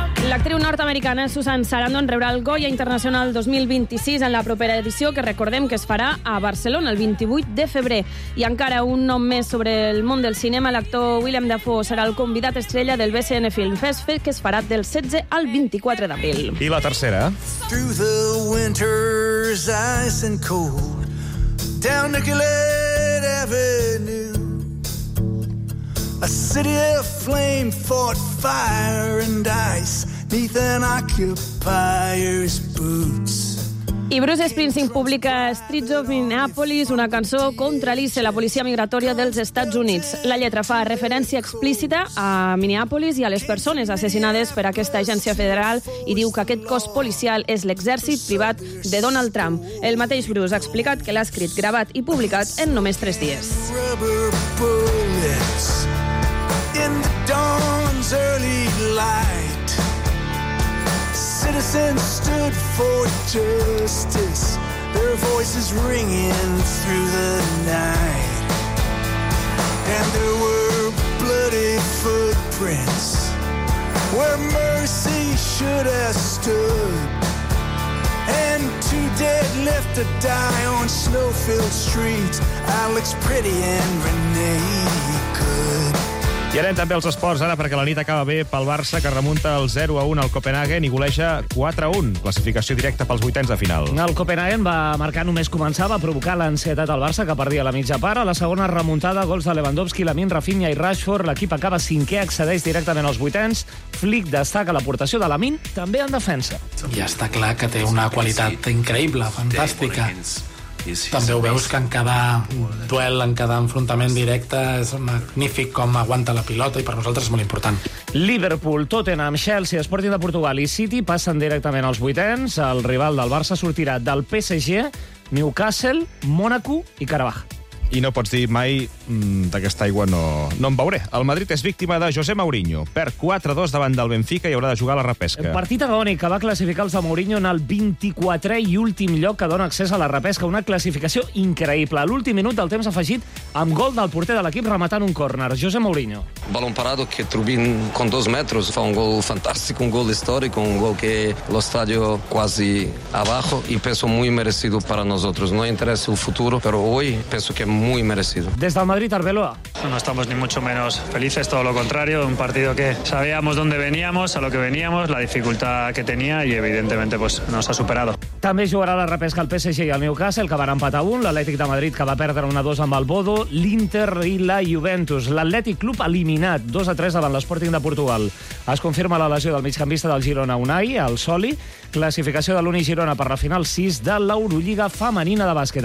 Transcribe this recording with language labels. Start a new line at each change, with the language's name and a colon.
Catalan: L'actriu nord-americana Susan Sarandon rebrà el Goya Internacional 2026 en la propera edició, que recordem que es farà a Barcelona el 28 de febrer. I encara un nom més sobre el món del cinema, l'actor Willem Dafoe serà el convidat estrella del BCN Film Fest, fet que es farà del 16 al 24 d'abril. I la tercera.
English: Through the winter's ice and cold, down Nicolet Avenue, a city of flame fought fire and ice neath an occupier's boots.
Catalan: I Bruce Springsteen publica Streets of Minneapolis, una cançó contra l'ICE, la policia migratòria dels Estats Units. La lletra fa referència explícita a Minneapolis i a les persones assassinades per aquesta agència federal i diu que aquest cos policial és l'exèrcit privat de Donald Trump. El mateix Bruce ha explicat que l'ha escrit, gravat i publicat en només 3 dies.
English: In the dawn's early light, citizens stood for justice, their voices ringing through the night. And there were bloody footprints where mercy should have stood, and two dead left to die on snow-filled streets, Alex Pretty and Renee Good.
Catalan: I anem també als esports, ara, perquè la nit acaba bé pel Barça, que remunta el 0-1 al Copenhagen i goleja 4-1, classificació directa pels vuitens de final. El Copenhagen va marcar, només començava, a provocar l'ansietat al Barça, que perdia la mitja part. A la segona remuntada, gols de Lewandowski, Lamin, Rafinha i Rashford, l'equip acaba cinquè, accedeix directament als vuitens. Flick destaca l'aportació de Lamin, també en defensa. Ja està clar que té una qualitat increïble, fantàstica. També ho veus que en cada duel, en cada enfrontament directe, és magnífic com aguanta la pilota i per nosaltres és molt important. Liverpool, Tottenham, Chelsea, Sporting de Portugal i City passen directament als vuitens. El rival del Barça sortirà del PSG, Newcastle, Mónaco i Carabaj. I no pots dir mai, d'aquesta aigua no em veuré. El Madrid és víctima de José Mourinho. Perd 4-2 davant del Benfica i haurà de jugar a la repesca. Partit agònic que va classificar els de Mourinho en el 24è i últim lloc que dona accés a la repesca. Una classificació increïble. A l'últim minut del temps afegit, amb gol del porter de l'equip rematant un córner. José Mourinho.
Spanish: Balón parado que Trubin, con 2 metros,
Catalan: fa un gol fantàstic, un gol històric,
Spanish: un gol que l'estadio quasi abajo y penso muy merecido para nosotros. No interesa el futuro, pero hoy penso que muy merecido. Desde el Madrid, Arbeloa. No estamos ni mucho menos felices, todo lo contrario, un partido que sabíamos dónde veníamos, a lo que veníamos, la dificultad que tenía y evidentemente pues nos ha superado.
Catalan: També jugarà la repesca el PSG i el Newcastle, que van empatar 1, l'Atlètic de Madrid, que va perdre 1-2 amb el Bodo, l'Inter i la Juventus. L'Atlètic Club eliminat 2-3 davant l'Sporting de Portugal. Es confirma la lesió del migcampista del Girona Unai, el Soli. Classificació de l'Uni Girona per la final 6 de l'Eurolliga femenina de bàsquet.